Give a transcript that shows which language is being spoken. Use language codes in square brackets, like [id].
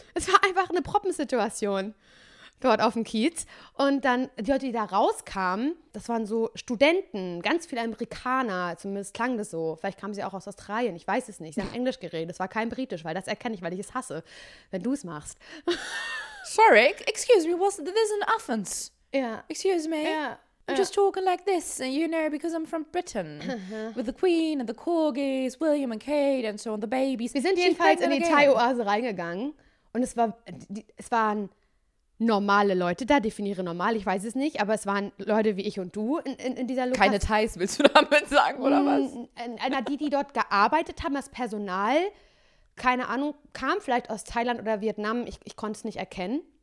[de] Es war einfach eine Proppensituation dort auf dem Kiez. Und dann die Leute, die da rauskamen, das waren so Studenten, ganz viele Amerikaner, zumindest klang das so. Vielleicht kamen sie auch aus Australien, ich weiß es nicht. Sie haben Englisch geredet, es war kein Britisch, weil das erkenne ich, weil ich es hasse, wenn du es machst. [en] Sorry, excuse me, was this in Athens? Yeah. Excuse me? Yeah. I'm just talking like this, you know, because I'm from Britain. Uh-huh. With the Queen and the Corgis, William and Kate and so on, the babies. [de] Wir sind jedenfalls in die Thai-Oase reingegangen und es waren normale Leute da, definiere normal, ich weiß es nicht, aber es waren Leute wie ich und du in dieser Lokation. Keine Thais, willst du damit sagen, oder was? Na, die dort gearbeitet haben, das Personal, keine Ahnung, kam vielleicht aus Thailand oder Vietnam, ich konnte es nicht erkennen.